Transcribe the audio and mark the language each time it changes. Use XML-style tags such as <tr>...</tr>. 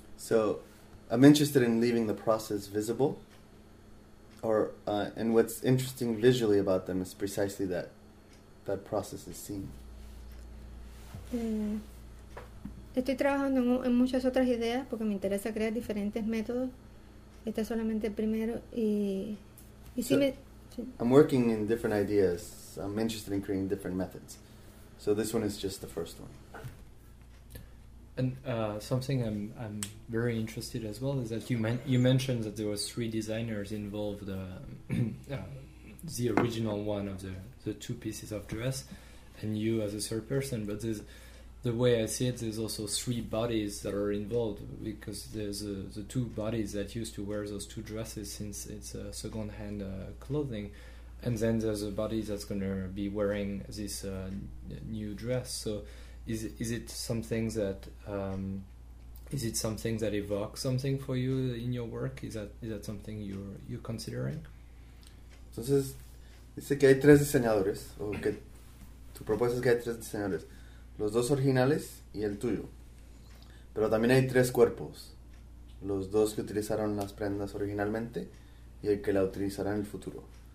<en>So, I'm interested in leaving the process visible, or and what's interesting visually about them is precisely that that process is seen.</en> <es>Estoy trabajando en muchas otras ideas porque me interesa crear diferentes métodos. Este es solamente el primero y sí</es> <en>So,</en> <es>me sí.</es> <en>I'm working in different ideas. I'm interested in creating different methods. So this one is just the first one. And something I'm very interested as well is that you mentioned that there were three designers involved, the original one of the two pieces of dress, and you as a third person. But the way I see it, there's also three bodies that are involved because there's the two bodies that used to wear those two dresses since it's a second-hand clothing, and then there's a body that's gonna be wearing this new dress. So. Is it something that evokes something for you in your work? Is that something you're considering?</en> <es>Entonces, dice que hay tres diseñadores, o que tu propuesta es que hay tres diseñadores, los dos originales y el tuyo. Pero también hay tres cuerpos, los dos que utilizaron las prendas originalmente y el que la utilizará en el futuro.</es>